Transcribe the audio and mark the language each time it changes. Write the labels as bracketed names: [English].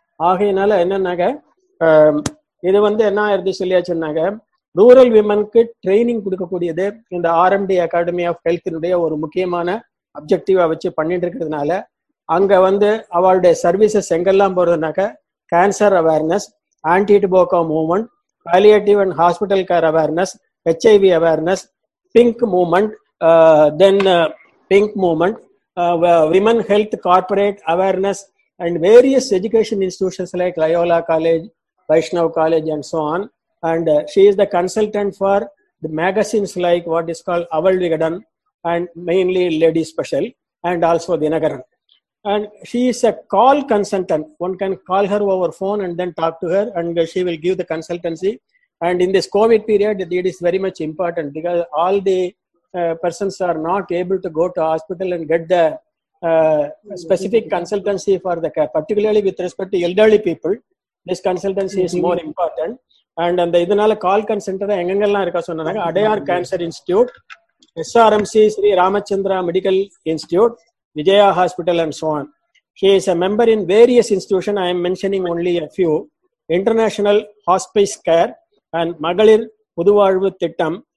[Tamil] Aagayanaala enna naga இது வந்து என்ன ஆயிருது சொல்லியா சொன்னாங்க, ரூரல் விமனுக்கு ட்ரைனிங் கொடுக்கக்கூடியது இந்த ஆர்எம்டி அகாடமி ஆஃப் ஹெல்த்தினுடைய ஒரு முக்கியமான அப்ஜெக்டிவா வச்சு பண்ணிட்டு இருக்கிறதுனால அங்க வந்து அவளுடைய சர்வீசஸ் எங்கெல்லாம் போறதுனாக்க cancer awareness, ஆன்டிடுபோக்கோ movement, palliative and hospital care awareness, HIV awareness, pink movement, then pink movement, [English] Women health corporate awareness and various education institutions like Loyola College, Vaishnav College and so on. And she is the consultant for the magazines like what is called Aval Vigadan and mainly Lady Special and also Dinakaran. And she is a call consultant. One can call her over phone and then talk to her and she will give the consultancy. And in this COVID period, it is very much important because all the persons are not able to go to hospital and get the specific consultancy for the care, particularly with respect to elderly people. This consultancy is more important. [Tamil] And அந்த இதனால கால் கன்சென்டர் எங்கெங்கெல்லாம் இருக்கா சொன்னாங்க, Adyar cancer institute, SRMC Sri Ramachandra medical institute, Vijaya hospital and so on. [English] She is a member in various institution, I am mentioning only a few, international hospice care and Magalir Pudhuvazhvu Thittam.